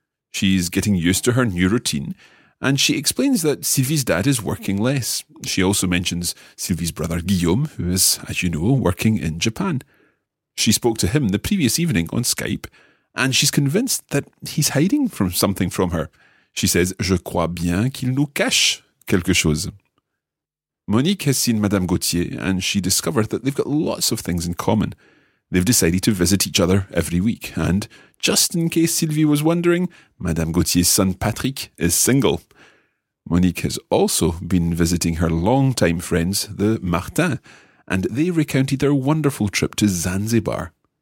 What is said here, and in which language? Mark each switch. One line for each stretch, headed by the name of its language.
English: She's getting used to her new routine, and she explains that Sylvie's dad is working less. She also mentions Sylvie's brother Guillaume, who is, as you know, working in Japan. She spoke to him the previous evening on Skype, and she's convinced that he's hiding from something from her.
French: She says, je crois bien qu'il nous cache quelque chose.
English: Monique has seen Madame Gauthier, and she discovered that they've got lots of things in common. They've decided to visit each other every week, and just in case Sylvie was wondering, Madame Gauthier's son Patrick is single. Monique has also been visiting her long-time friends, the Martins, and they recounted their wonderful trip to Zanzibar.